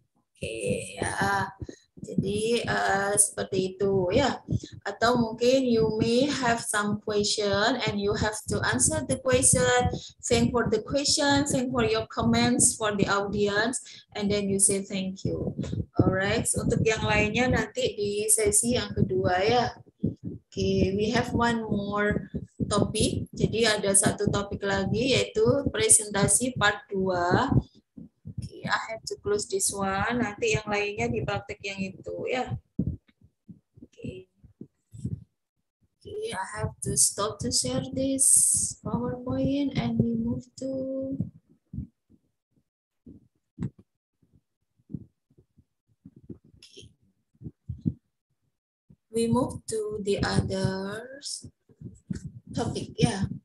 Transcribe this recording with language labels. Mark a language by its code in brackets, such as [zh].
[id] Oke, ya. Jadi seperti itu ya. Atau mungkin [en] you may have some question and you have to answer the question. Thank for the question, thank for your comments for the audience and then you say thank you. [id] Alright, so untuk yang lainnya nanti di sesi yang kedua ya. Oke, [en] we have one more topik. [id] Jadi ada satu topik lagi yaitu presentasi part 2. Okay, [en] I have to close this one. [id] Nanti yang lainnya di praktek yang itu ya. [en] Okay. Okay, I have to stop to share this PowerPoint and we move to we move to the others topic, ya. Yeah.